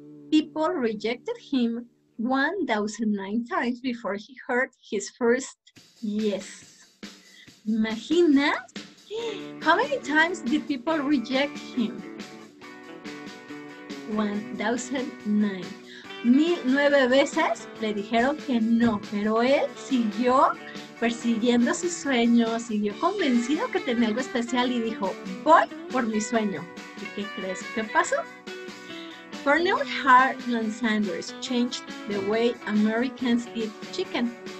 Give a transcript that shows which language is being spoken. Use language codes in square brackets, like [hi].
[en] People rejected him 1,009 times before he heard his first yes. [es] Imagina, [en] how many times did people reject him? 1,009. [es] 1,009 veces le dijeron que no, pero él siguió persiguiendo sus sueños, siguió convencido que tenía algo especial y dijo, voy por mi sueño. ¿Y qué crees? ¿Qué pasó? [en] Colonel Harland Sanders changed the way Americans eat chicken.